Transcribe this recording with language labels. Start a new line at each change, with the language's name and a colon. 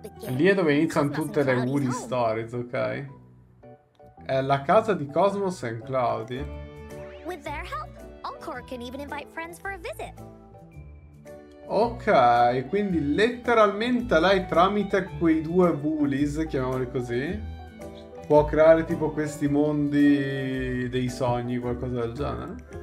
Italian: Lì è dove iniziano tutte le Woolly Stories, ok? È la casa di Cosmos e Cloudy.
English: With their help, Encore can even invite friends for a visit.
Italian: Ok, quindi letteralmente lei tramite quei due Woollies, chiamiamoli così, può creare tipo questi mondi dei sogni, qualcosa del genere.